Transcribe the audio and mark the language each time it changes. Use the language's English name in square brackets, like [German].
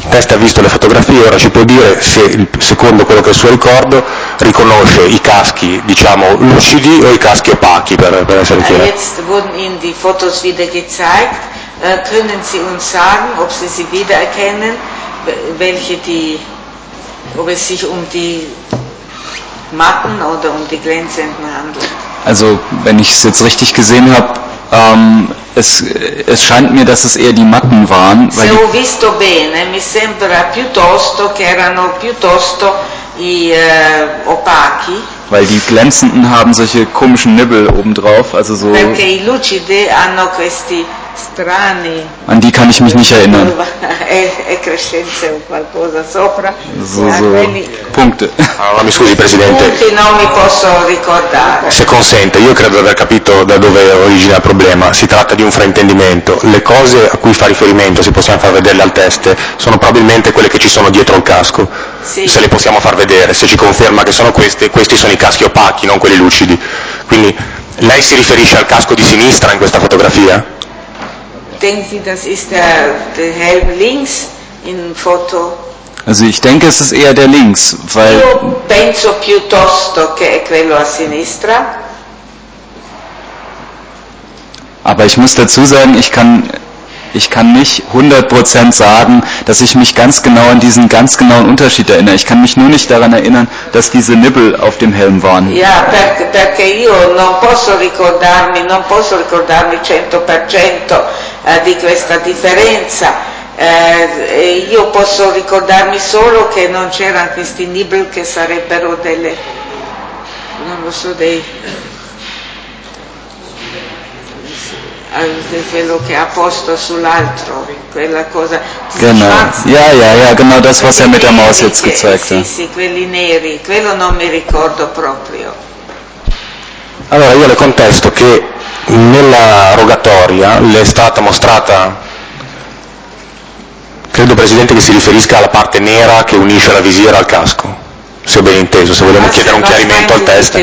[Italian] Ha visto le fotografie, ora ci può dire se, secondo quello che è il suo ricordo, riconosce i caschi, diciamo, lucidi o i caschi opachi, per essere chiaro. [German] Jetzt wurden Ihnen die Fotos wieder gezeigt. Können Sie uns sagen, ob Sie sie wiedererkennen, welche die, ob es sich um die matten oder um die glänzenden handelt? Also, wenn ich es jetzt richtig gesehen habe, es scheint mir, dass es eher die Matten waren. Weil [Italian] se ho visto bene, mi sembra piuttosto che erano piuttosto i opachi. [German] Weil die glänzenden haben solche komischen Nibbel obendrauf, also so. [Italian] Perché i lucidi hanno questi strani. [German] An die kann ich mich nicht erinnern. [Italian] Eccrescenze o qualcosa sopra. [German] So. Punkte. [Italian] Allora, mi scusi, Presidente. Punti non mi posso ricordare. Se consente, io credo di aver capito da dove origina il problema. Si tratta di un fraintendimento. Le cose a cui fa riferimento, se possiamo far vederle al test, sono probabilmente quelle che ci sono dietro il casco. Sì. Se le possiamo far vedere, se ci conferma che sono queste, questi sono i caschi opachi, non quelli lucidi. Quindi, lei si riferisce al casco di sinistra in questa fotografia? [German] Denken Sie, das ist der Helm links in Foto? Also ich denke, es ist eher der links, weil... [Italian] Io penso piuttosto che è quello a sinistra. [German] Aber ich muss dazu sagen, ich kann nicht 100% sagen, dass ich mich ganz genau an diesen ganz genauen Unterschied erinnere. Ich kann mich nur nicht daran erinnern, dass diese Nibbel auf dem Helm waren. [Italian] Ja, perché io non posso ricordarmi 100% di questa differenza. Io posso ricordarmi solo che non c'erano questi nibble che sarebbero delle, non lo so, dei, quello che ha posto sull'altro. quella cosa. [German] Genau. Schwarzen. Ja, ja, ja, genau das, was er mit der Maus jetzt gezeigt hat. [Italian] Sì, quelli neri, quello non mi ricordo proprio. Allora, io le contesto che nella rogatoria le è stata mostrata, credo Presidente che si riferisca alla parte nera che unisce la visiera al casco, se ho ben inteso, se vogliamo chiedere un chiarimento al testo.